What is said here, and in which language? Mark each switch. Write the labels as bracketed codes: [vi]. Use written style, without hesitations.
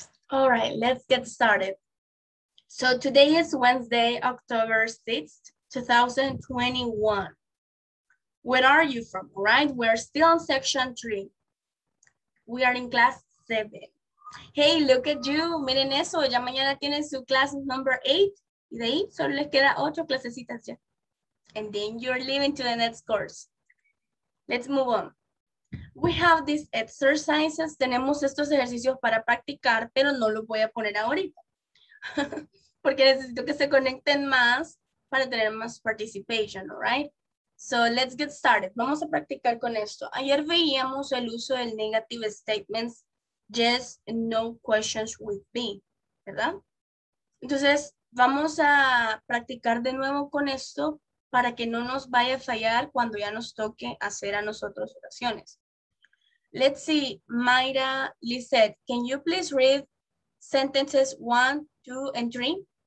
[en] All right, let's get started. So today is Wednesday, October 6th, 2021. Where are you from, right? We're still on section 3. We are in class 7. Hey, look at you. [es] Miren eso, ya mañana tienen su [en] class number 8. [es] Y de ahí solo les queda 8 clasecitas ya. [en] And then you're leaving to the next course. Let's move on. We have these exercises. [es] Tenemos estos ejercicios para practicar, pero no los voy a poner ahorita. Porque necesito que se conecten más para tener más participation, [en] all right? So let's get started. [es] Vamos a practicar con esto. Ayer veíamos el uso del [en] negative statements, yes, no questions with me, [es] ¿verdad? Entonces, vamos a practicar de nuevo con esto para que no nos vaya a fallar cuando ya nos toque hacer a nosotros oraciones. [en] Let's see, Mayra, Lizette, can you please read sentences 1, 2, and 3?